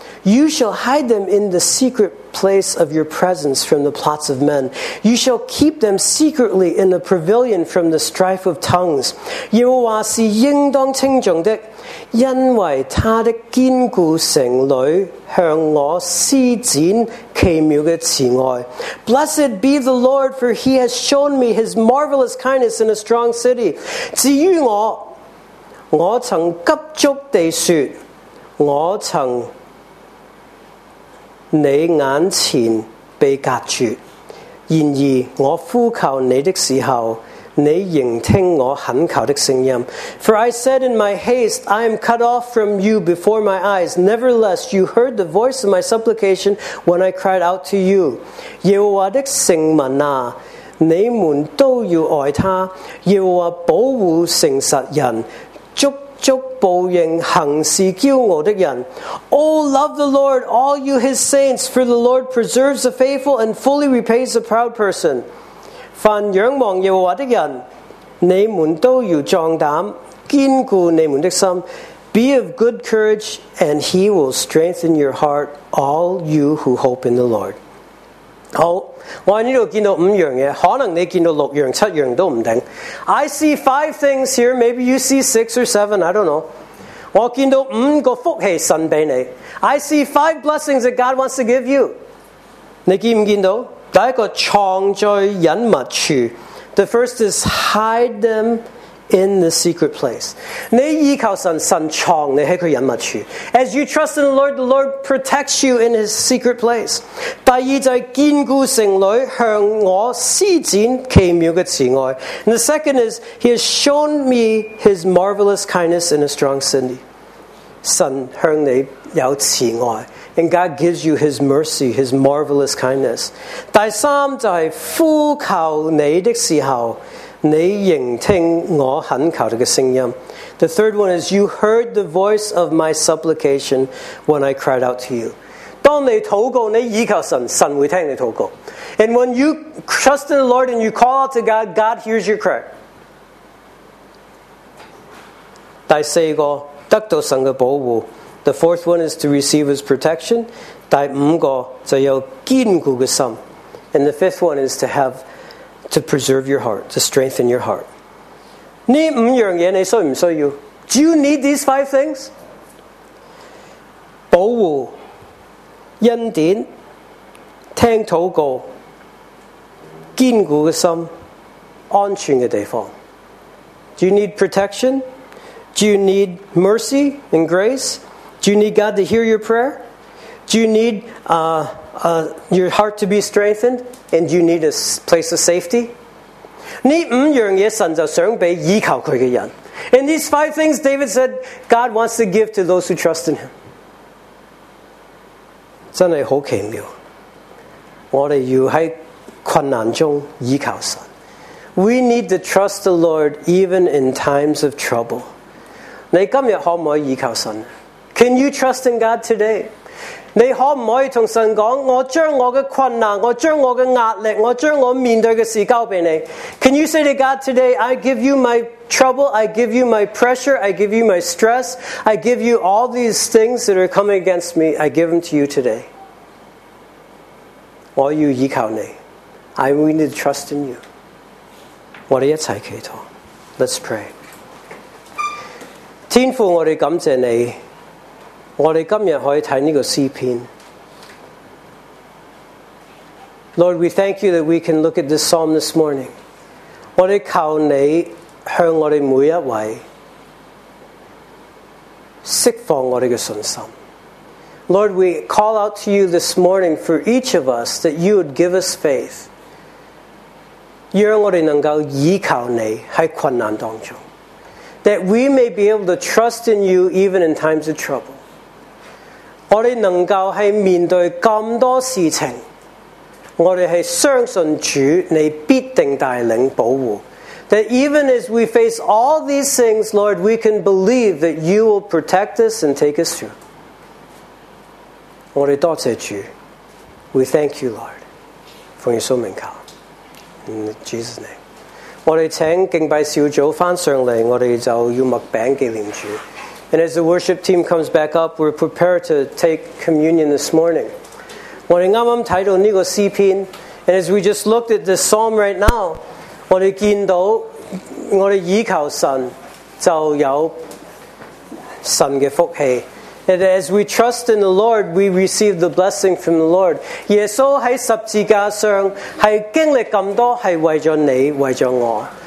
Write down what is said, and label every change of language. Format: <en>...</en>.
<en>you shall hide them in the secret place of your presence from the plots of men. You shall keep them secretly in the pavilion from the strife of tongues.</en> <zh>耶和华是应当称颂的，因为他的坚固城垒向我施展奇妙的慈爱。</zh> <en>Blessed be the Lord, for he has shown me his marvelous kindness in a strong city.</en> <zh>至于我, 我曾急足地说，我曾你眼前被隔绝。然而我呼求你的时候，你仍听我恳求的声音。</zh> <en>For I said in my haste, I am cut off from you before my eyes. Nevertheless, you heard the voice of my supplication when I cried out to you.</en> <zh>耶和华的圣民啊，你们都要爱他。耶和华保护诚实人，祝报应行事骄傲的人。</zh> <en>Oh, love the Lord, all you his saints, for the Lord preserves the faithful and fully repays the proud person.</en> <zh>凡仰望耶和华的人，你们都要壮胆，坚固你们的心。</zh> <en>Be of good courage, and he will strengthen your heart, all you who hope in the Lord.</en> <zh>好，我在这里看到五样东西，可能你看到六样七样都不定。</zh> <en>I see five things here, maybe you see six or seven, I don't know.</en> <zh>我看到五个福气神给你。</zh> <en>I see five blessings that God wants to give you.</en> <zh>你看不看到？第一个藏在隐密处。</zh> <en>The first is hide them in the secret place.</en> <zh>你依靠神，神藏你在他隐密处。</zh> <en>As you trust in the Lord protects you in his secret place.</en> <zh>第二就是坚固城垒，向我施展奇妙的慈爱。</zh> <en>And the second is, he has shown me his marvelous kindness in a strong city.</en> <zh>神向你有慈爱。</zh> <en>And God gives you his mercy, his marvelous kindness.</en> <zh>第三就是呼求你的时候，你仍听我恳求的声音。</zh> <en>The third one is, you heard the voice of my supplication when I cried out to you.</en> <zh>当你祷告，你依靠神，神会听你祷告。</zh> <en>And when you trust in the Lord and you call out to God, God hears your prayer.</en> <zh>第四个，得到神的保护。</zh> <en>The fourth one is to receive his protection.</en> <zh>第五个，就有坚固的心。</zh> <en>And the fifth one is to have to preserve your heart, to strengthen your heart.</en> <zh>这五样东西你需不需要？</zh> <en>Do you need these five things?</en> <zh>保护、恩典、听祷告、坚固的心、安全的地方。</zh> <en>Do you need protection? Do you need mercy and grace? Do you need God to hear your prayer? Do you need your heart to be strengthened? And you need a place of safety?</en> <zh>这五样东西神就想给依靠他的人。</zh> <en>And these five things, David said, God wants to give to those who trust in him.</en> <zh>真的很奇妙。我们要在困难中依靠神。</zh> <en>We need to trust the Lord even in times of trouble.</en> <zh>你今天可不可以依靠神？</zh> <en>Can you trust in God today?</en> <zh>你可不可以跟神讲，我将我的困难，我将我的压力，我将我面对的事交给你。</zh> <en>Can you say to God today, I give you my trouble, I give you my pressure, I give you my stress, I give you all these things that are coming against me, I give them to you today.</en> <zh>我要依靠你。</zh> <en>I need to trust in you.</en> <zh>我们一起祈祷。</zh> <en>Let's pray.</en> <zh>天父，我们感谢你，我们今天可以看这个诗篇。</zh> <en>Lord, we thank you that we can look at this psalm this morning.</en> <zh>我们求你向我们每一位释放我们的信心。</zh> <en>Lord, we call out to you this morning for each of us that you would give us faith,</en> <zh>让我们能够依靠你在困难当中，</zh> <en>that we may be able to trust in you even in times of trouble.</en> <zh>我们能够在面对这么多事情，我们是相信主你必定带领保护。</zh> <en>That even as we face all these things, Lord, we can believe that you will protect us and take us through.</en> <zh>我们多谢主。</zh> <en>We thank you, Lord.</en> <zh>奉耶稣名求，</zh> <en>In Jesus' name.</en> <zh>我们请敬拜小组回上来，我们就要麦饼纪念主。</zh> <en>And as the worship team comes back up, we're prepared to take communion this morning.</en> <zh>我们刚刚看到这个诗篇，</zh> <en>and as we just looked at this psalm right now,</en> <zh>我们看到我们依靠神就有神的福气。</zh> <en>And as we trust in the Lord, we receive the blessing from the Lord.</en> <zh>耶稣在十字架上是经历这么多，是为着你，为着我。</zh>